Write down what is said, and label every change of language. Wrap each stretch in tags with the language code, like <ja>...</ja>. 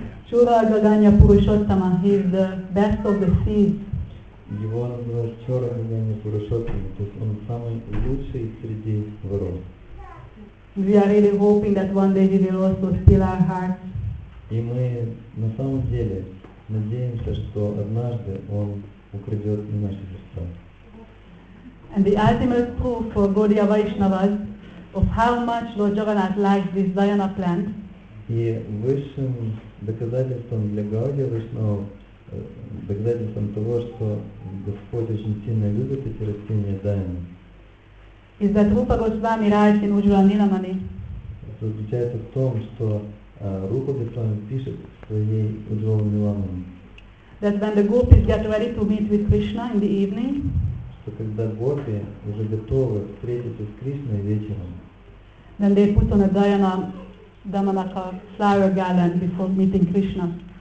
<ru>Чура-гаганья Пурушоттама.</ru> <en>He is the best of the seeds.</en> <ru>Его называют Чура-гаганья Пурушоттама, то есть он самый лучший среди ворон.</ru> <en>We are really hoping that one day he will also steal our hearts.</en> <ru>И мы на самом деле надеемся, что однажды он украдет и наши сердца.</ru> <en>And the ultimate proof for Gaudiya Vaishnavas of how much Lord Jagannath likes this Dhyana plant.</en> <ru>И высшим доказательством для Гаудия Вайшнава, доказательством того, что Господь очень сильно любит эти растения Дайана,</ru> <en>is that Rupa Goswami writes in Ujjvala Nilamani.</en> <ru>Это заключается в том, что Rupa Goswami пишет в своей Ujjvala Nilamani.</ru> <en>That when the gopis get ready to meet with Krishna in the evening,</en> <ru>что когда гопи уже готовы встретиться с Кришной вечером,</ru> <en>then they put on a Dhyana Damanaka flower garland before meeting Krishna.</en>